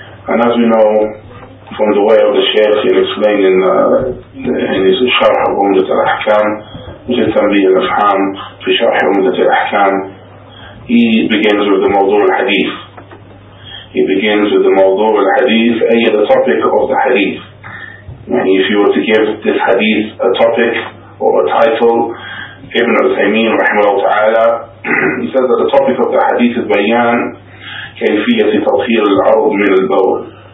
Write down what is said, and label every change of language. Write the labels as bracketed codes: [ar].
[en] And as we know from the way of the Shaykh in explaining in his shurah of Umdat al-Ahkam, [ar] مثل تربية الأفهام في شرح عمدة الأحكام. [en] He begins with the [ar] موضوع الحديث. [en] He begins with the [ar] موضوع الحديث, أي [en] the topic of the hadith. [ar] يعني [en] if you were to give this hadith a topic or a title, Ibn al-Taymiyyah [ar] رحمه الله تعالى, [en] he says that the topic of the hadith is [ar] بيان كيفية تطهير الأرض من البول.